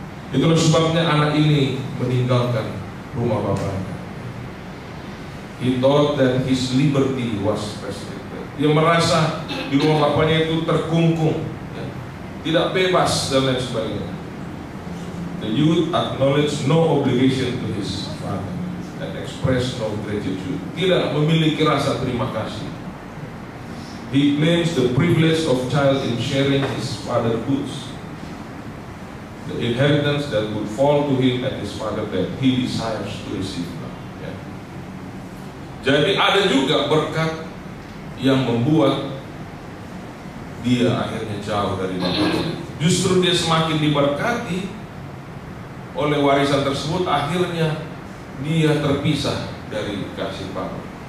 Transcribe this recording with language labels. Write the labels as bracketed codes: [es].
[id] Itulah sebabnya anak ini meninggalkan rumah bapaknya. [en] He thought that his liberty was restricted. [id] Dia merasa di rumah bapaknya itu terkungkung, ya, tidak bebas dan lain sebagainya. [en] The youth acknowledged no obligation to his father and expressed no gratitude. [id] Tidak memiliki rasa terima kasih. [en] He claims the privilege of child in sharing his father's goods, the inheritance that would fall to him at his father's death. He desires to receive now. Ya. [id] Jadi ada juga berkat yang membuat dia akhirnya jauh dari bapaknya. Justru dia semakin diberkati oleh warisan tersebut, akhirnya dia terpisah dari kasih bapa.